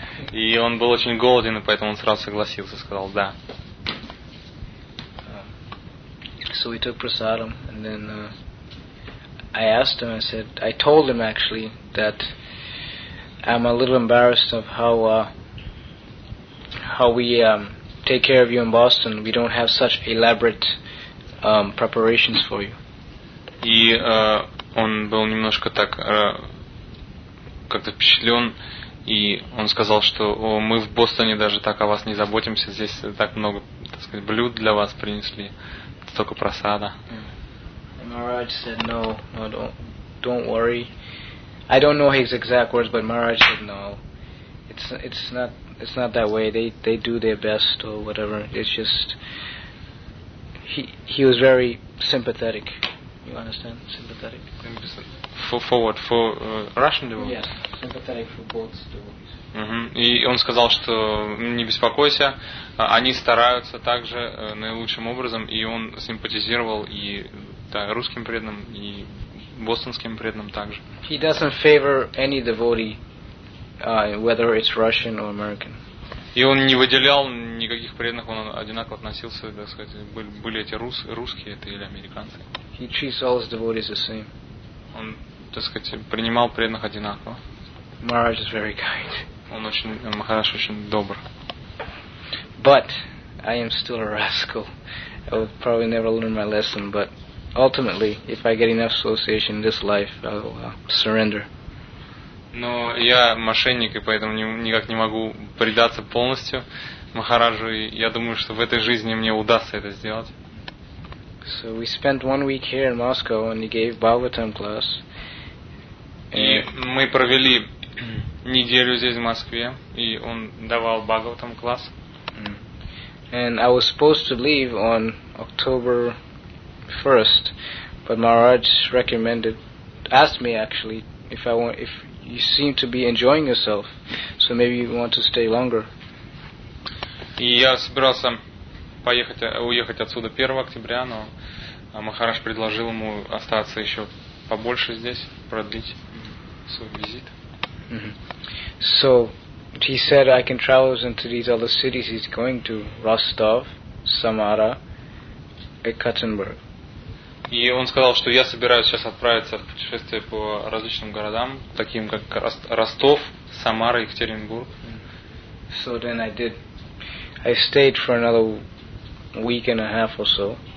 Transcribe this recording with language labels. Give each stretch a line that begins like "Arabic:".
Russian: И он был очень голоден, и поэтому он сразу согласился, сказал да.
English: So we took prasadam, and then I asked him. I told him actually that I'm a little embarrassed of how we take care of you in Boston. We don't have such elaborate preparations for you.
Russian: И он был немножко так как-то впечатлен, и он сказал, что мы в Бостоне даже так о вас не заботимся, здесь так много, так сказать, блюд для вас принесли, столько просада.
English: Maharaj said no, don't worry. I don't know his exact words, but Maharaj said no. It's not that way. They do their best or whatever. It's just he was very sympathetic. You understand? Sympathetic. For Russian devotees? Yes, sympathetic for both devotees.
Russian: И он сказал, что не беспокойся, они стараются также наилучшим образом, и он симпатизировал и русским преданным, и бостонским преданным также.
English: He doesn't favor any devotee, whether it's Russian or American.
Russian: И он не выделял никаких преданных, он одинаково относился, так сказать, были эти русские это или американцы.
English: He treats all his devotees the same.
Russian: Он, так сказать, принимал преданных одинаково.
English: Maharaj is very kind.
Russian: Он очень, Махарадж очень добр.
English: But I am still a rascal. I will probably never learn my lesson, but ultimately, if I get enough association in this life, I will surrender.
Russian: Но я мошенник, и поэтому никак не могу предаться полностью Махараджу, и я думаю, что в этой жизни мне удастся это сделать.
English: So we spent 1 week here in Moscow and he gave Bhagavatam class.
Russian: И мы провели неделю здесь, в Москве, и он давал Бхагаватам класс.
English: And I was supposed to leave on October 1st, but Maharaj recommended, asked me actually, if you seem to be enjoying yourself, so maybe you want to stay longer.
Russian: И я собирался уехать отсюда 1 октября, но Махарадж предложил ему остаться еще побольше здесь, продлить свой визит.
English: So he said I can travel into these other cities. He's going to Rostov, Samara, Ekaterinburg.
Russian: И он сказал, что я собираюсь сейчас отправиться в путешествие по различным городам, таким как Ростов, Самара, Екатеринбург.
English: So then I did. I stayed for another week and a half or so.